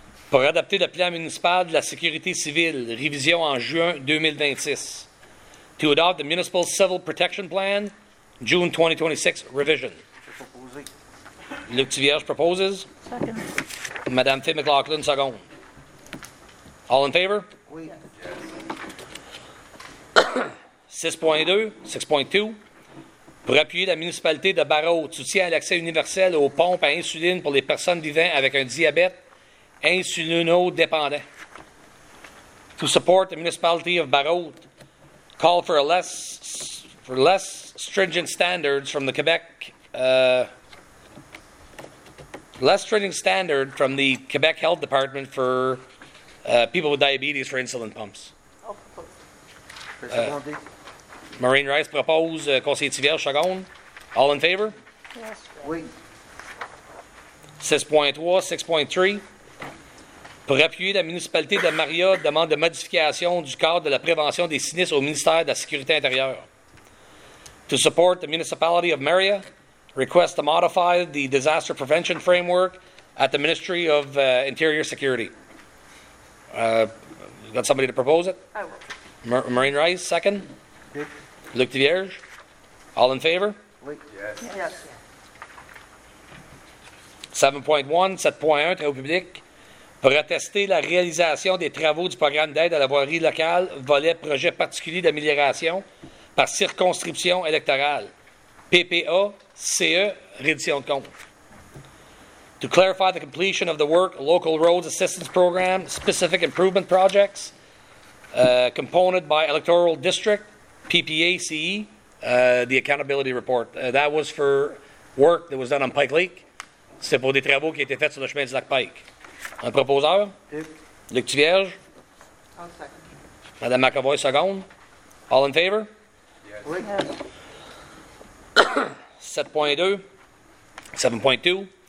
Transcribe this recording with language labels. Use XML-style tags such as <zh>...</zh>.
<fr>Pour adapter le plan municipal de la sécurité civile, révision en juin 2026.</fr> <en>To adopt the Municipal Civil Protection Plan, June 2026, revision. Luc Tivierge proposes. Second. Madame Faye McLaughlin, second. All in favor?</en> <fr>Oui.</fr> <en>Yes. 6.2, 6.2.</en> <fr>Pour appuyer la municipalité de Barreau, soutien à l'accès universel aux pompes à insuline pour les personnes vivant avec un diabète. Insulino-dépendant.</fr> <en>To support the municipality of Barreau, call for less stringent standards from the Quebec less stringent standard from the Quebec Health Department for people with diabetes for insulin pumps. Maureen Rice propose, Conseiller Tivierge second. All in favor? Yes.</en> <fr>Oui.</fr> <en>6.3, 6.3.</en> <fr>Pour appuyer la municipalité de Maria, demande de modification du cadre de la prévention des sinistres au ministère de la Sécurité intérieure.</fr> <en>To support the municipality of Maria, request to modify the disaster prevention framework at the Ministry of Interior Security. Got somebody to propose it? I will. Maureen Rice, second. Yes. Luc Tivierge, all in favor? Yes. Yes. Yes.</en> <fr>7.1, 7.1, travaux publics. Pour attester la réalisation des travaux du programme d'aide à la voirie locale, volet projet particulier d'amélioration par circonscription électorale, PPA, CE, reddition de compte.</fr> <en>To clarify the completion of the work, Local Roads Assistance Program, Specific Improvement Projects, Component by Electoral District, PPA, CE, the Accountability Report. That was for work that was done on Pike Lake.</en> <fr>C'est pour des travaux qui étaient faits sur le chemin du lac Pike. Un proposeur? Oui. Luc Tivierge?</fr> <en>I'll second.</en> <fr>Madame McAvoy, seconde.</fr> <en>All in favor? Yes.</en> <fr>Oui.</fr> <en>Yes. 7.2. 7.2.</en>